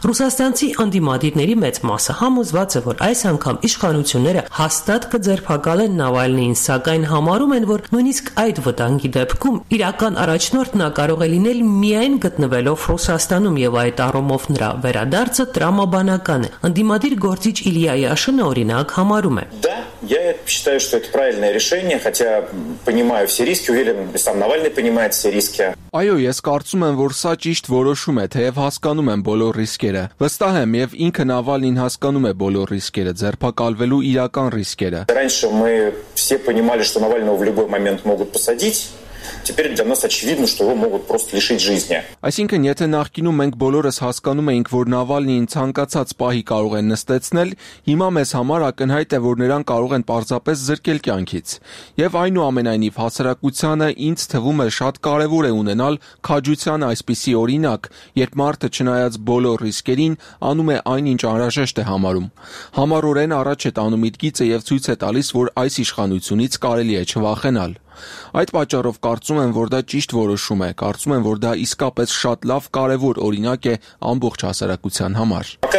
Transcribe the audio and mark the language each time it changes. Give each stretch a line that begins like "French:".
Armenian: Ռուսաստանցի ընդդիմադիրների մեծ մասը համոզված է, որ այս անգամ իշխանությունները հաստատ կձերբակալեն Նավալնին, սակայն համարում են, որ նույնիսկ այդ վտանգի դեպքում իրական առաջնորդն է կարող լինել միայն գտնվելով Ռուսաստանում և այդ առումով նրա վերադարձը տրամաբանական է։ Ընդդիմադիր գործիչ Իլիա Յաշինը օրինակ համարում է.
Russian: Я считаю, что это правильное решение, хотя понимаю все риски, уверен, сам Навальный понимает все риски.
Armenian: Այո, ես կարծում եմ, որ սա ճիշտ որոշում է, թեև հասկանում եմ բոլոր ռիսկերը։ Վստահ եմ, եւ ինքը Նավալնին հասկանում է բոլոր ռիսկերը, ձերբակալվելու իրական ռիսկերը։
Russian: Раньше мы все понимали, что Навального в любой момент могут посадить. Теперь для нас очевидно, что его могут просто лишить жизни.
Armenian: Այսինքն, եթե նախկինում մենք բոլորս հասկանում էինք, որ Նավալնին ցանկացած պահի կարող են նստեցնել, հիմա մեզ համար ակնհայտ է, որ նրան կարող են պարզապես զրկել կյանքից։ Եվ այնուամենայնիվ հասարակությանը ինձ թվում է շատ կարևոր է ունենալ քաջության այսպիսի օրինակ, երբ մարդը չնայած բոլոր ռիսկերին անում է այն, ինչ անհրաժեշտ է համարում։ Համառորեն առաջ է տանում իր գիծը և ցույց է տալիս, որ այս իշխանությունից կարելի է չվախենալ։ Այդ պատճառով կարծում եմ, որ դա ճիշտ որոշում է, կարծում եմ, որ դա իսկապես շատ լավ կարևոր օրինակ է ամբողջ հասարակության համար։